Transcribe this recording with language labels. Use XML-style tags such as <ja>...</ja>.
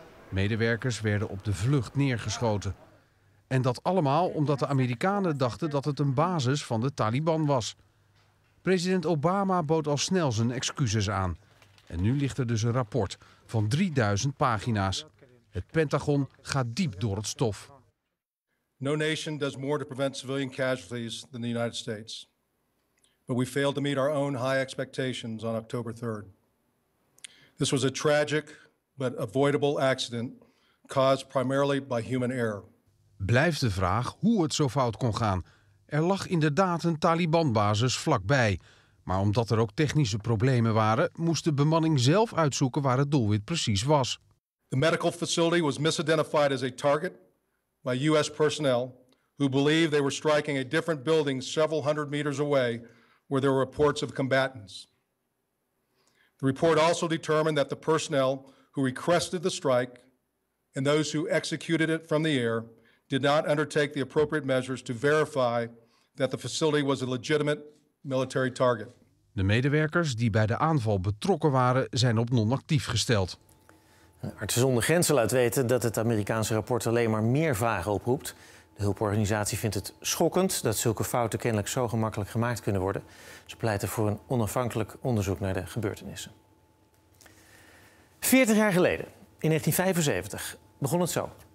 <nl>Medewerkers werden op de vlucht neergeschoten. En dat allemaal omdat de Amerikanen dachten dat het een basis van de Taliban was. President Obama bood al snel zijn excuses aan. En nu ligt er dus een rapport van 3000 pagina's. Het Pentagon gaat diep door het stof.</nl> <en>No nation does more to prevent civilian casualties than the United States. But we failed to meet our own high expectations on October 3rd. This was a tragic but avoidable accident caused primarily by human error.</en> <nl>Blijft de vraag hoe het zo fout kon gaan. Er lag inderdaad een Taliban-basis vlakbij. Maar omdat er ook technische problemen waren, moest de bemanning zelf uitzoeken waar het doelwit precies was.</nl> <en>The medical facility was misidentified as a target by US personnel who believed they were striking a different building several hundred meters away. Where there were reports of combatants. The report also determined that the personnel who requested the strike and those who executed it from the air did not undertake the appropriate measures to verify that the facility was a legitimate military target.</en> <nl>De medewerkers die bij de aanval betrokken waren, zijn op non-actief gesteld. Artsen zonder grenzen laat weten dat het Amerikaanse rapport alleen maar meer vragen oproept. De hulporganisatie vindt het schokkend dat zulke fouten kennelijk zo gemakkelijk gemaakt kunnen worden. Ze pleiten voor een onafhankelijk onderzoek naar de gebeurtenissen. 40 jaar geleden, in 1975, begon het zo.</nl>